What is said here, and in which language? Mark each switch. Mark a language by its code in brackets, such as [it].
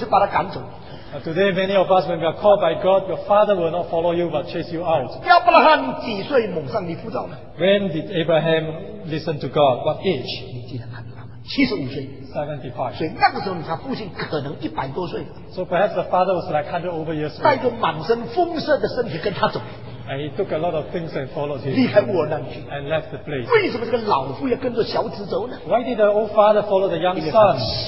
[en] Today, many of us, when we are called by God, your father will not follow you but chase you out. When did Abraham listen to God? What age? 75. So perhaps the father was like 100 over years old. [zh] 带着满身丰盛的身体跟他走。 [en] And he took a lot of things and followed him. [zh] 离开乌尔那里去, [en] and left the place. [zh] 为什么这个老父要跟着小子走呢? [en] Why did the old father follow the young son?